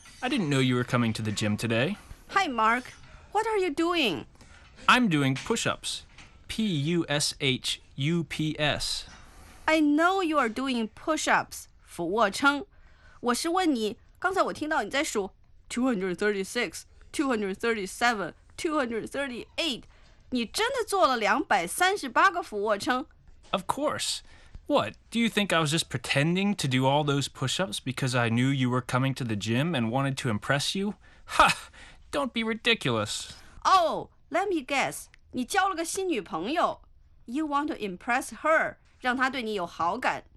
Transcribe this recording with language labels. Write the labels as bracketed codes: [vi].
[en] I didn't know you were coming to the gym today. Hi, Mark. What are you doing? I'm doing push-ups. P-U-S-H-U-P-S. I know you are doing push-ups, 俯卧撑。 [zh] 我是问你，刚才我听到你在数 236, 237, 238. 你真的做了238个俯卧撑。 [en] Of course. What, do you think I was just pretending to do all those push-ups because I knew you were coming to the gym and wanted to impress you? Ha! Don't be ridiculous. Oh, let me guess. [zh] 你交了个新女朋友 [en] You want to impress her [zh] 让她对你有好感